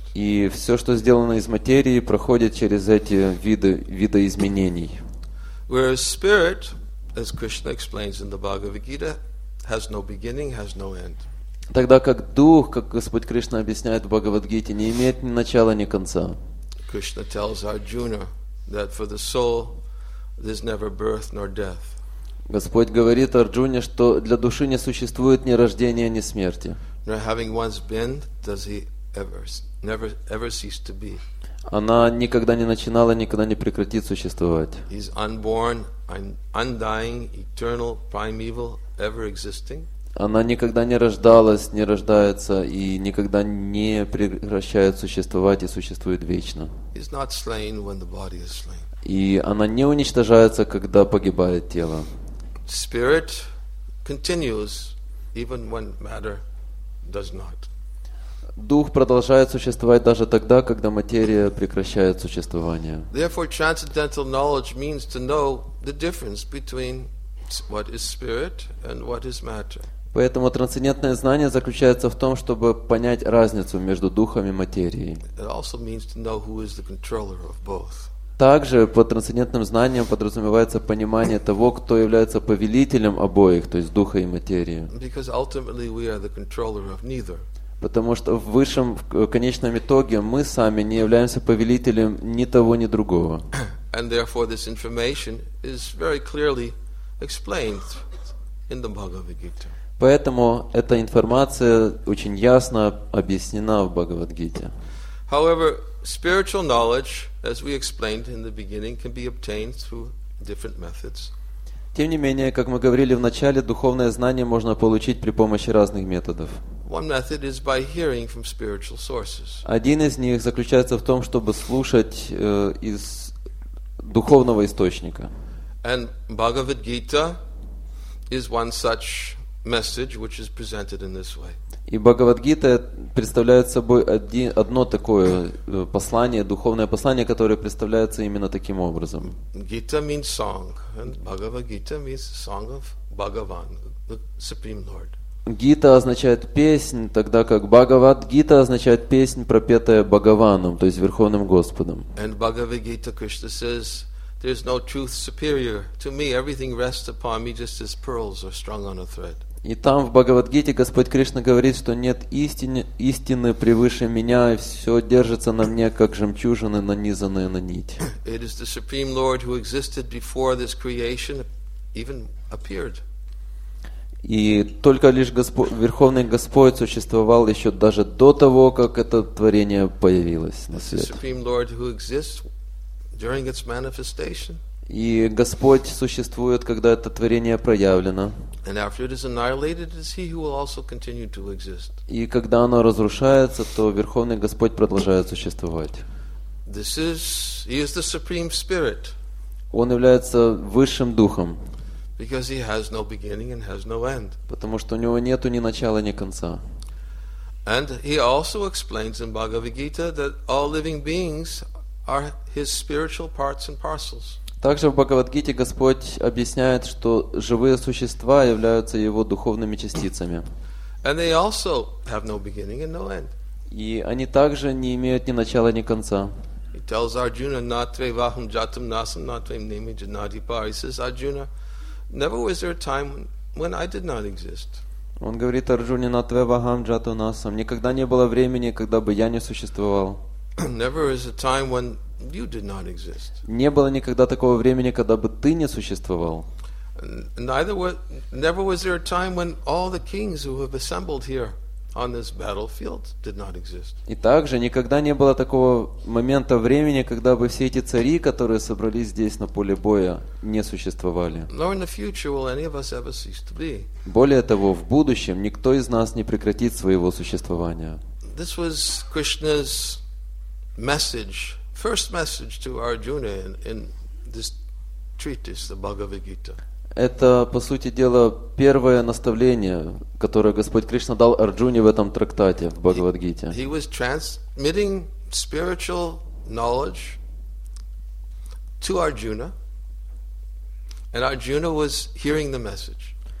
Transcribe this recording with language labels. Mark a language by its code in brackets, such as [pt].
[ru] И все, что сделано из материи, проходит через эти видоизменений. [en] Whereas spirit, as Krishna explains in the Bhagavad Gita, has no beginning, has no end. [ru] Тогда как дух, как Господь Кришна объясняет в Бхагавад-гите, не имеет ни начала, ни конца. [en] Krishna tells Arjuna that for the soul there's never birth nor death. [ru] Господь говорит Арджуне, что для души не существует ни рождения, ни смерти. [en] Nor having once been, does he never cease to be. [ru] Она никогда не начинала, никогда не прекратит существовать. [en] He's unborn, undying, eternal, primeval, ever existing. [ru] Она никогда не рождалась, не рождается и никогда не прекращает существовать и существует вечно. [en] He's not slain when the body is slain. [ru] И она не уничтожается, когда погибает тело. [en] Spirit continues even when matter does not. [ru] Дух продолжает существовать даже тогда, когда материя прекращает существование. [en] Therefore, transcendental knowledge means to know the difference between what is spirit and what is matter. [ru] Поэтому трансцендентное знание заключается в том, чтобы понять разницу между духом и материей. [en] It also means to know who is the controller of both. [ru] Также под трансцендентным знанием подразумевается понимание того, кто является повелителем обоих, то есть духа и материи. [en] Because ultimately we are the controller of neither. [ru] Потому что в высшем, в конечном итоге мы сами не являемся повелителем ни того, ни другого. [en] And therefore this information is very clearly explained in the Bhagavad Gita. [ru] Поэтому эта информация очень ясно объяснена в Бхагавад-гите. [en] However, spiritual knowledge, as we explained in the beginning, can be obtained through different methods. [ru] Тем не менее, как мы говорили в начале, духовное знание можно получить при помощи разных методов. [en] One method is by hearing from spiritual sources. [ru] Один из них заключается в том, чтобы слушать из духовного источника. [en] And Bhagavad Gita is one such message which is presented in this way. [ru] И Бхагавад-гита представляет собой одно такое послание, духовное послание, которое представляется именно таким образом. [en] Gita means song, and Bhagavad-gita means song of Bhagavan, the Supreme Lord. [ru] Гита означает песнь, тогда как Бхагавад-гита означает песнь, пропетая Бхагаваном, то есть Верховным Господом. [en] And Bhagavad-gita Krishna says, there is no truth superior to me. Everything rests upon me just as pearls are strung on a thread. [ru] И там в Бхагавад-гите Господь Кришна говорит, что нет истины превыше меня, и все держится на мне, как жемчужины, нанизанные на нить. [en] It is the Supreme Lord who existed before this creation even appeared. [ru] И только лишь Господь, Верховный Господь существовал еще даже до того, как это творение появилось на свет. [en] It's the Supreme Lord who exists during its manifestation. [ru] И Господь существует, когда это творение проявлено. [en] And after it is annihilated, it is He who will also continue to exist. [ru] И когда оно разрушается, то Верховный Господь продолжает существовать. [en] He is the Supreme Spirit. [ru] Он является высшим духом. [en] Because He has no beginning and has no end. [ru] Потому что у него нету ни начала, ни конца. [en] And He also explains in Bhagavad Gita that all living beings are His spiritual parts and parcels. [ru] Также в Бхагавад-гите Господь объясняет, что живые существа являются Его духовными частицами. [en] And they also have no beginning and no end. [ru] И они также не имеют ни начала, ни конца. [en] He tells Arjuna, [sa] natve vaham jatam nasam, natve nemi janadipar. [en] He says, Arjuna, never was there a time when I did not exist. [ru] Он говорит Арджуне, [sa] натве вахам джатам насам, [ru] никогда не было времени, когда бы я не существовал. [en] Never is a time when You did not exist. [ru] Не было никогда такого времени, когда бы ты не существовал. [en] Never was there a time when all the kings who have assembled here on this battlefield did not exist. [ru] И также никогда не было такого момента времени, когда бы все эти цари, которые собрались здесь на поле боя, не существовали. [en] Nor in the future will any of us ever cease to be. [ru] Более того, в будущем никто из нас не прекратит своего существования. [en] This was Krishna's message, first message to Arjuna in this treatise, the Bhagavad Gita. [ru] Это, по сути дела, первое наставление, которое Господь Кришна дал Арджуне в этом трактате, в Бхагавад-гите. [en] He was transmitting spiritual knowledge to Arjuna, and Arjuna was hearing the message.